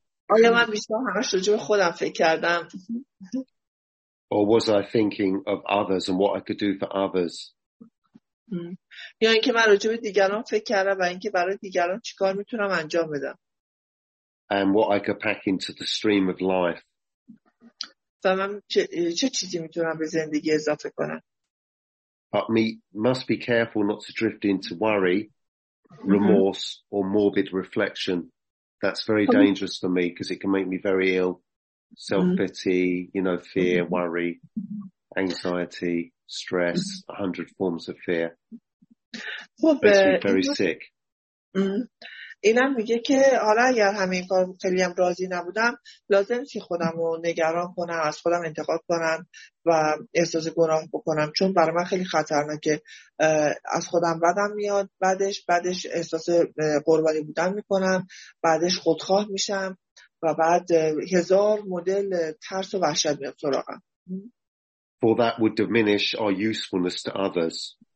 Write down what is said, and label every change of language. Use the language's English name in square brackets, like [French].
[Persian] آیا من بیشتر همش راجع به خودم فکر کردم؟ [English] Or was I thinking of others and what I could do for others? [Persian] یا اینکه من راجع به دیگران فکر کردم و اینکه برای دیگران چیکار میتونم انجام بدم. [English] And what I could pack into the stream of life. [Persian] و من چه چیزی میتونم به زندگی اضافه کنم. [English] But me must be careful not to drift into worry, remorse or morbid reflection. That's very dangerous for me because it can make me very ill. Self-pity, you know, fear, worry, anxiety, stress, 100 forms of fear. خب very sick. [Persian] اینم میگه که حالا اگر همه این کار خیلی هم راضی نبودم لازم نیست خودم رو نگران کنم، از خودم انتقاد کنم و احساس گناه بکنم، چون برای من خیلی خطرناکه. از خودم بدم میاد، بعدش احساس قربانی بودن میکنم، بعدش خودخواه میشم و بعد هزار مدل ترس و وحشت میاد سراغم. [English] For that would diminish our usefulness to others.